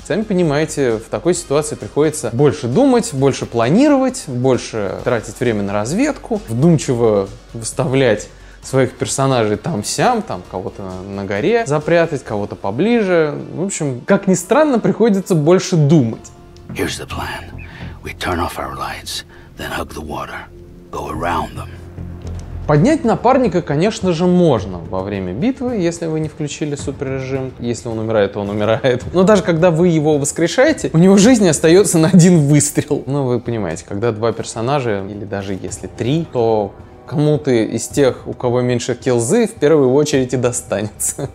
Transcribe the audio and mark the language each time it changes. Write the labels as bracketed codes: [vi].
[ru] Сами понимаете, в такой ситуации приходится больше думать, больше планировать, больше тратить время на разведку, вдумчиво выставлять своих персонажей там-сям, там кого-то на горе запрятать, кого-то поближе. В общем, как ни странно, приходится больше думать. [en] Here's the plan. We turn off our lights, then hug the water. Go around them. [ru] Поднять напарника, конечно же, можно во время битвы, если вы не включили суперрежим. Если он умирает, то он умирает. Но даже когда вы его воскрешаете, у него жизни остается на один выстрел. Ну, вы понимаете, когда два персонажа, или даже если три, то кому-то из тех, у кого меньше килзы, в первую очередь и достанется.